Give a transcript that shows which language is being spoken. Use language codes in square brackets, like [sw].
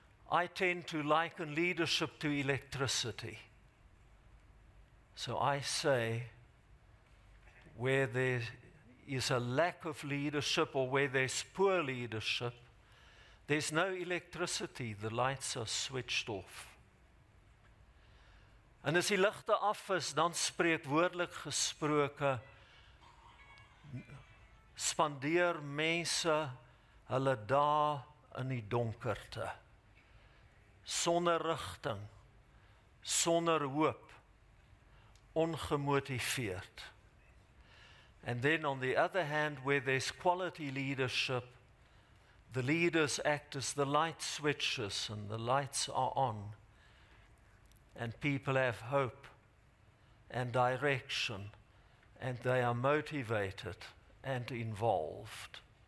[en] I tend to liken leadership to electricity. So I say, where there is a lack of leadership or where there's poor leadership, there's no electricity, the lights are switched off. [af] En as die ligte af is, dan spreek woordelik gesproke, spandeer mense hulle dae in die donkerte, sonder rigting, sonder hoop, ongemotiveerd. [en] And then on the other hand, where there's quality leadership, the leaders act as the light switches and the lights are on, and people have hope and direction and they are motivated and involved.